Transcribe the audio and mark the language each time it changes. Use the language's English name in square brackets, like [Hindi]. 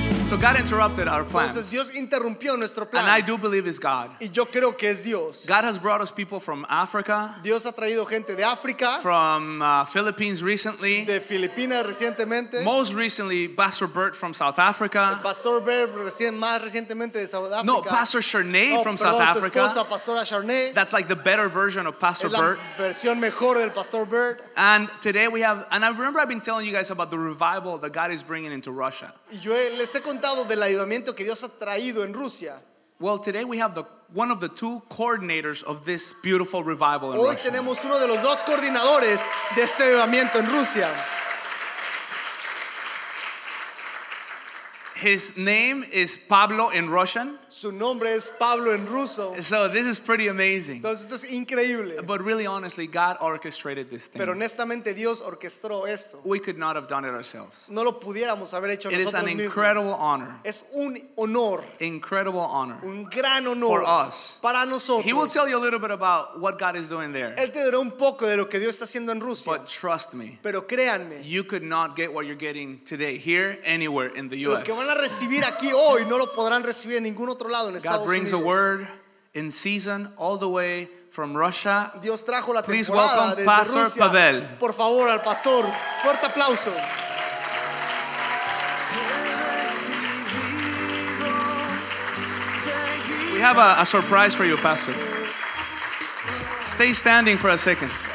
[English] So God interrupted our plan. [Spanish] Entonces, Dios interrumpió nuestro plan. [English] And I do believe it's God. [Spanish] Y yo creo que es Dios. [English] God has brought us people from Africa. [Spanish] Dios ha traído gente de África. [English] From Philippines recently. [Spanish] De Filipinas recientemente. [English] Most recently, Pastor Bert from South Africa. [Spanish] El Pastor Bert más recientemente de South Africa. [English] No, Pastor Charnay from South Africa. [Spanish] Su esposa, Pastora Charnay. [English] That's like the better version of Pastor Bert. [Spanish] Es la versión mejor del Pastor Bert. [English] And today we have, and I remember I've been telling you guys about the revival that God is bringing into Russia. [Spanish] Yo les he contado del avivamiento que Dios ha traído en Rusia. [English] Well, today we have one of the two coordinators of this beautiful revival in Russia. [Spanish] Hoy tenemos uno de los dos coordinadores de este avivamiento en Rusia. [English] His name is Pablo in Russian. [Spanish] Su nombre es Pablo en ruso. [English] So this is pretty amazing. [Spanish] Entonces, esto es increíble. [English] But really, honestly, God orchestrated this thing. [Spanish] Pero honestamente, Dios orquestó esto. [English] We could not have done it ourselves. [Spanish] No lo pudiéramos haber hecho nosotros mismos. [English] It is an incredible honor. [Spanish] Es un honor. [English] Incredible honor. [Spanish] Un gran honor. [English] For us. [Spanish] Para nosotros. [English] He will tell you a little bit about what God is doing there. [Spanish] Él te dirá un poco de lo que Dios está haciendo en Rusia. [English] But trust me. [Spanish] Pero créanme. [English] You could not get what you're getting today here anywhere in the U.S. [Spanish] Recibir aquí hoy no lo podrán recibir en ningún otro lado en Estados [English] Unidos. God brings [Spanish] Unidos. [English] A word in season all the way from Russia. [Spanish] Dios trajo la [English] Please [Spanish] temporada [English] welcome [Spanish] desde [English] Pastor [Spanish] Rusia. [English] Pavel. [Spanish] Por favor, al pastor. Fuerte aplauso. [English] We have a surprise for you, Pastor. Stay standing for a second.